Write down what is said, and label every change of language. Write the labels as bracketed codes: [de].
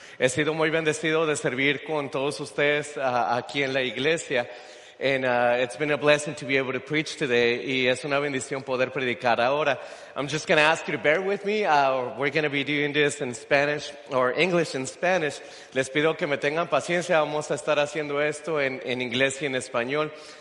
[es] He sido muy bendecido de servir con todos ustedes aquí en la iglesia. [en] And it's been a blessing to be able to preach today. [es] Y es una bendición poder predicar ahora. [en] I'm just going to ask you to bear with me. We're going to be doing this in Spanish or English and Spanish. [es] Les pido que me tengan paciencia. Vamos a estar haciendo esto en inglés y en español.